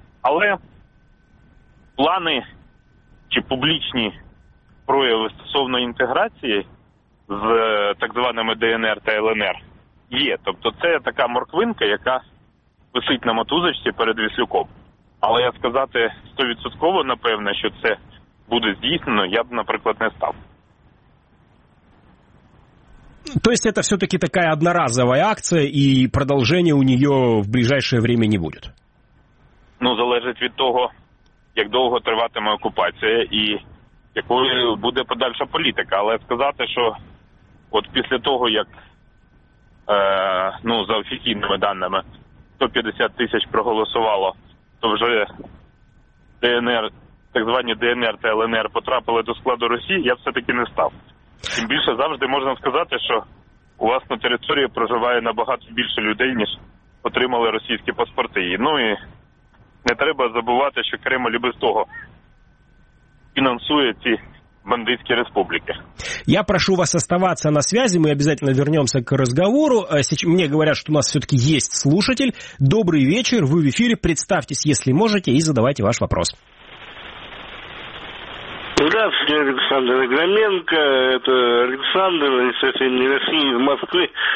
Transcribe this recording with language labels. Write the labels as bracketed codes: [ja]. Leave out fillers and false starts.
[uk] Але плани чи публічні прояви стосовно інтеграції з так званими ДНР та ЛНР є. Тобто це така морквинка, яка висить на мотузочці перед Віслюком. Але я сказати 100% напевне, що це буде здійснено, я б, наприклад, не став. [ru] То есть это все-таки такая одноразовая акция, и продолжения у нее в ближайшее время не будет? [uk] Ну, залежить від того, як довго триватиме окупація і якою буде подальша політика. Але сказати, що от після того, як, ну, за офіційними даними, 150 тисяч проголосувало, то вже ДНР, так звані ДНР та ЛНР потрапили до складу Росії, я все-таки не став. Тим більше завжди можна сказати, що у вас на території проживає набагато більше людей, ніж отримали російські паспорти. Ну і не треба забувати, що Кремль без того фінансує ці [ru] бандитские республики. Я прошу вас оставаться на связи, мы обязательно вернемся к разговору. Мне говорят, что у нас все-таки есть слушатель. Добрый вечер, вы в эфире, представьтесь, если можете, и задавайте ваш вопрос. Здравствуйте, Александр Игроменко. Это Александр, совсем не Россия, из Москвы.